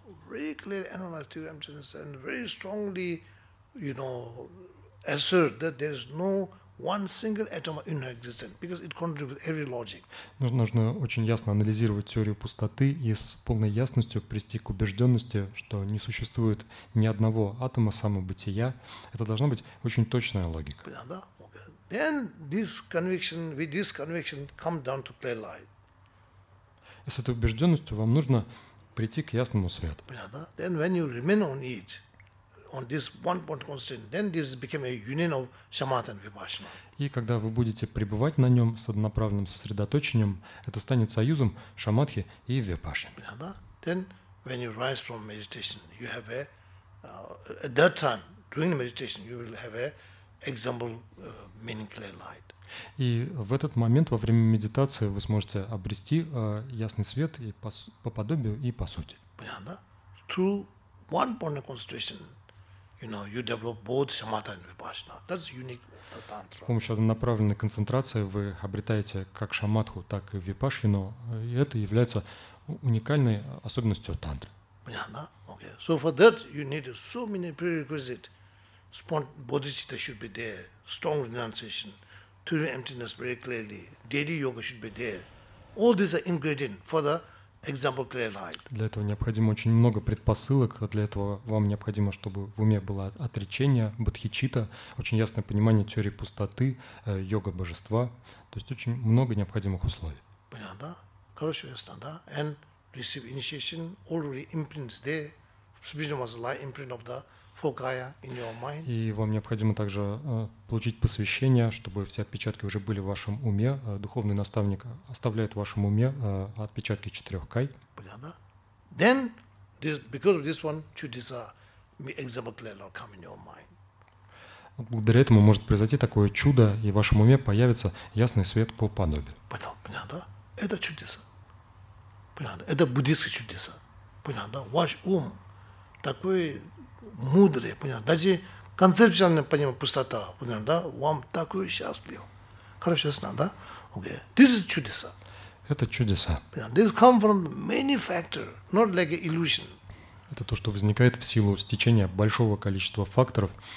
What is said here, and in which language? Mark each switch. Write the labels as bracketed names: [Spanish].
[English] Very clearly analyze two emptiness and very strongly, you know, assert that there is no one single atom in our existence, because it contradicts every logic. [Russian] Нужно очень ясно анализировать теорию пустоты и с полной ясностью прийти к убежденности, что не существует ни одного атома самобытия. Это должна быть очень точная логика. [English] Then this conviction, with this conviction, come down to clear light. [Russian] И с этой убежденностью вам нужно прийти к ясному свету. [English] Then when you remain on it, on this one point constant, then this became a union of shamatha and vipassana. [Russian] И когда вы будете пребывать на нем с однонаправленным сосредоточением, это станет союзом шамадхи и випассаны. Да? [English] Then when you rise from meditation, you have a at that time during the meditation you will have a example meaning clear light. [Russian] И в этот момент во время медитации вы сможете обрести ясный свет и по подобию и по сути. Понятно? [English] Through one point of concentration, you know, you develop both shamatha and vipassana. That's unique of the tantra. [Russian] С помощью однонаправленной концентрации вы обретаете как шамадху, так и випассану, и это является уникальной особенностью тантры. Понятно? [English] Okay. So for that you need so many prerequisites. Bodhicitta should be there, strong renunciation. True emptiness very clearly. Daily yoga should be there. All these are ingredients for the example clear light. [Russian] Для этого необходимо очень много предпосылок. Для этого вам необходимо, чтобы в уме было отречение, бодхичитта, очень ясное понимание теории пустоты, йога божества. То есть очень много необходимых условий. Понятно, да? Короче, ясно, да? [English] And receive initiation already imprints there. Subhijam was a light imprint of the in your mind. [Russian] И вам необходимо также получить посвящение, чтобы все отпечатки уже были в вашем уме. Духовный наставник оставляет в вашем уме отпечатки четырех кай. Понятно? [English] Then, this, because of this one, two desire, example clear light come in your mind. [Russian] Вот благодаря этому может произойти такое чудо, и в вашем уме появится ясный свет по подобию. Понятно? Это чудеса. Понятно? Это буддийские чудеса. Понятно? Ваш ум такой мудрые, понятно, даже концептуально понимаю пустота, понятно, да, вам такой счастлив, хорошо, ясно, да, окей, [English] this is [Russian] чудеса. Это чудеса. Понятно? [English] This come from many factor, not like an illusion. [Russian] Это то, что возникает в силу стечения большого количества факторов.